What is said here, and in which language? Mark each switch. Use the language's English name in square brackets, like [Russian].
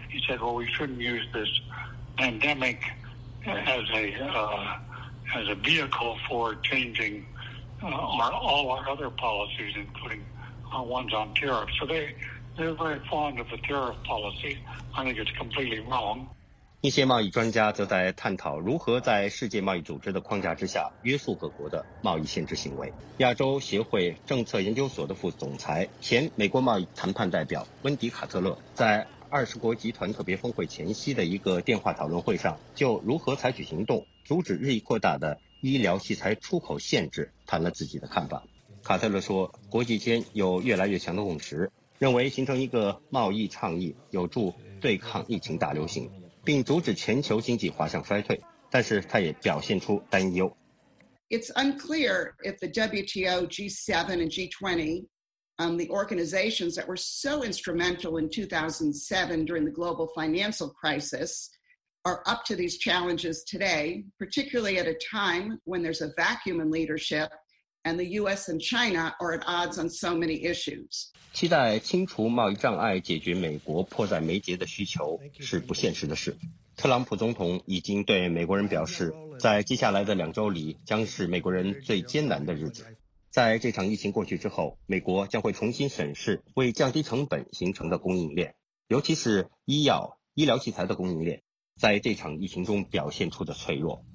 [English] He said, well, we shouldn't use this pandemic as a vehicle for changing all our other policies, including our ones on tariffs. So they're very fond of the tariff policy. I think it's completely wrong. [Chinese] 一些贸易专家则在探讨如何在世界贸易组织的框架之下约束各国的贸易限制行为。亚洲协会政策研究所的副总裁、前美国贸易谈判代表温迪·卡特勒在二十国集团特别峰会前夕的一个电话讨论会上，就如何采取行动阻止日益扩大的医疗器材出口限制谈了自己的看法。卡特勒说，国际间有越来越强的共识，认为形成一个贸易倡议有助对抗疫情大流行并阻止全球经济滑向衰退，但是他也表现出担忧。 [English] It's unclear if the WTO, G7 and G20, the organizations that were so instrumental in 2007 during the global financial crisis, are up to these challenges today, particularly at a time when there's a vacuum in leadership and the US and China are at odds on so many issues. [Chinese] 期待清除贸易障碍解决美国迫在眉睫的需求是不现实的事。特朗普总统已经对美国人表示，在接下来的两周里将是美国人最艰难的日子。在这场疫情过去之后，美国将会重新审视为降低成本形成的供应链，尤其是医疗器材的供应链在这场疫情中表现出的脆弱。